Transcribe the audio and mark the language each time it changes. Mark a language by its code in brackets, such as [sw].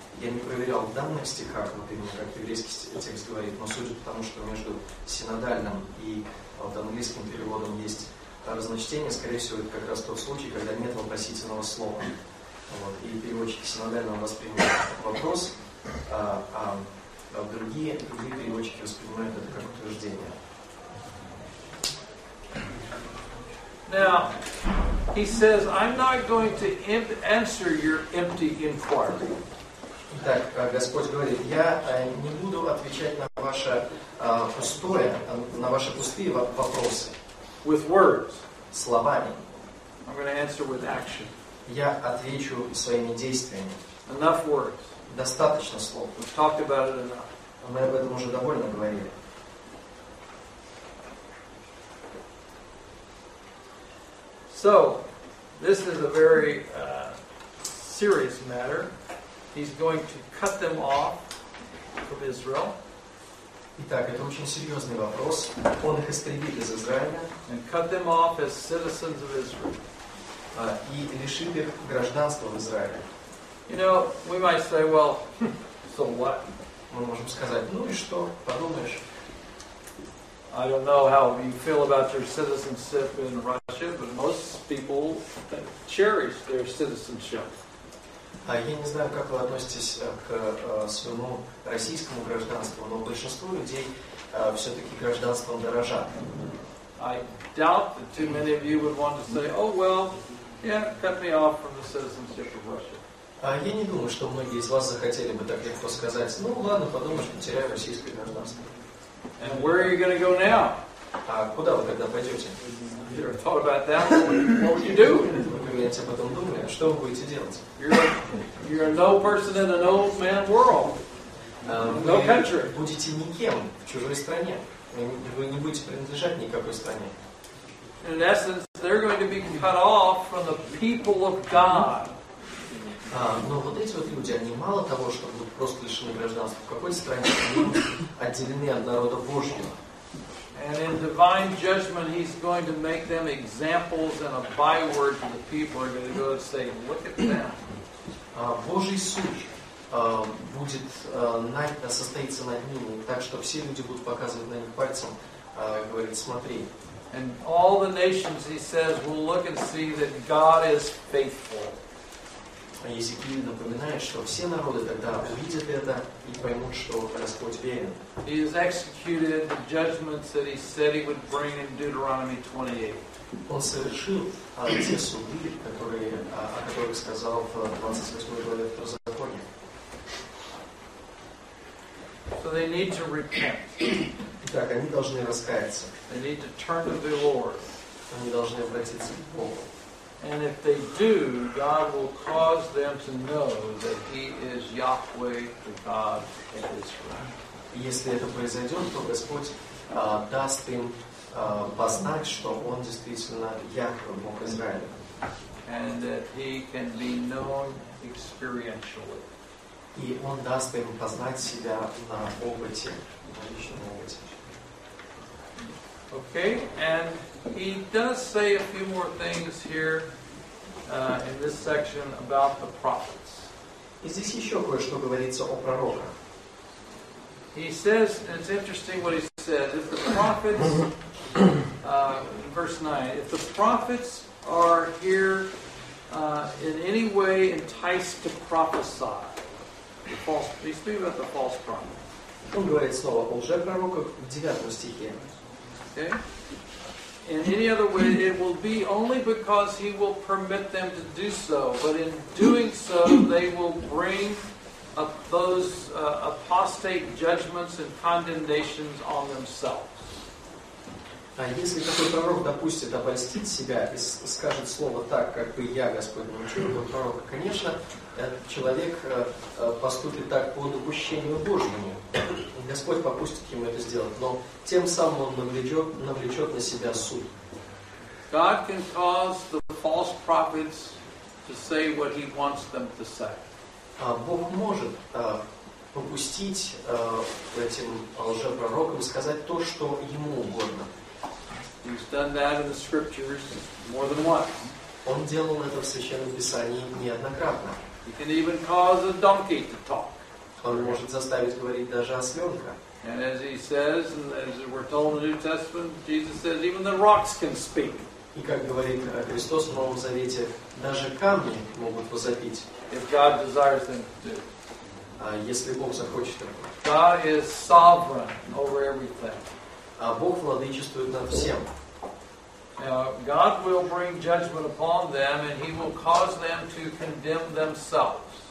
[ru] Я не проверял в данных стихах, вот именно как еврейский текст говорит, но судя по тому, что между синодальным и английским переводом есть разночтение, скорее всего, это как раз тот случай, когда нет вопросительного слова. Вот, и переводчики синодального воспринимают этот вопрос, а другие переводчики воспринимают это как утверждение. [en] Now, he says, I'm not going to answer your empty inquiry. [ru] Итак, Господь говорит, я не буду отвечать на ваше пустое, на ваши пустые вопросы. [en] With words. [ru] Словами. [en] I'm going to answer with action. [ru] Я отвечу своими действиями. [en] Enough words. [ru] Достаточно слов. [en] We've talked about it enough. [ru] Мы об этом уже довольно говорили. [en] So, this is a very serious matter. He's going to cut them off from Israel. [ru] Итак, это очень серьезный вопрос. Он их истребит из Израиля. [en] And cut them off as citizens of Israel. [ru] И лишит их гражданства в Израиле. [en] You know, we might say, well, so what? [ru] Мы можем сказать, ну и что? Подумаешь. [en] I don't know how you feel about your citizenship in Russia, but most people cherish their citizenship. [ru] Я не знаю, как вы относитесь к своему российскому гражданству, но большинство людей все-таки гражданством дорожат. [en] I doubt that too many of you would want to say, oh well, yeah, cut me off from the citizenship of Russia. [ru] Я не думаю, что многие из вас захотели бы так легко сказать, ну ладно, подумаешь, потеряю российское гражданство. [en] And where are you going to go now? [ru] Куда вы тогда пойдете? [en] You ever thought about that? What would you do? [ru] Поменяйте потом думаете, что вы будете делать? [en] You're no person in an old man world. No country. [ru] Вы будете никем в чужой стране. Вы не будете принадлежать никакой стране. [en] In essence, they're going to be cut off from the people of God. [ru] Но вот эти вот люди, они мало того, что будут просто лишены гражданства, в какой стране они отделены от народа Божьего. [en] And in divine judgment, he's going to make them examples and a byword to the people are going to go and say, look at them. [ru] Божий суд будет состоится над ними, так что все люди будут показывать на них пальцем, говорить, смотри. [en] And all the nations, he says, will look and see that God is faithful. [ru] А Езекииль напоминает, что все народы тогда увидят это и поймут, что Господь верен. [en] He has executed the judgments that he said he would bring in Deuteronomy 28. [ru] Он совершил те суды, о которых сказал в 28 главе Второзакония. [en] So they need to repent. [ru] Итак, они должны раскаяться. [en] They need to turn to the Lord. [ru] Они должны обратиться к Богу. [en] And if they do, God will cause them to know that He is Yahweh, the God of Israel. [ru] Если это произойдет, то Господь даст им познать, что Он действительно Яхве, Бог Израиля. [en] And that He can be known experientially. [ru] И Он даст им познать себя на опыте, на личном опыте. [en] Okay, and he does say a few more things here in this section about the prophets. [ru] И здесь еще кое-что говорится о пророках. [en] He says, and it's interesting what he says, if the prophets, in verse 9, if the prophets are here in any way enticed to prophesy, he's speaking about the false prophets. [ru] Он говорит слово о лжепророках в 9 стихе. [en] Okay. In any other way, it will be only because he will permit them to do so. But in doing so, they will bring up those apostate judgments and condemnations on themselves. [ru] Если какой пророк допустит обольстить себя и скажет слово так, как бы я, Господь, научил этого пророка, конечно, человек поступит так по допущению Божьему. Господь попустит ему это сделать, но тем самым он навлечет на себя суд. [en] God can cause the false prophets to say what he wants them to say. [ru] Бог может попустить этим лжепророкам сказать то, что ему угодно. [en] He's done that in the scriptures more than once. [ru] Он делал это в Священном Писании неоднократно. [en] He can even cause a donkey to talk. [ru] Он может заставить говорить даже осленка. [en] And as he says, and as we're told in the New Testament, Jesus says, even the rocks can speak. [ru] И как говорит Христос в Новом Завете, даже камни могут возопить. [en] If God desires them to do. [ru] Если Бог захочет этого. [en] God is sovereign over everything. [ru] А Бог владычествует над всем. [en] God will bring judgment upon them, and He will cause them to condemn themselves.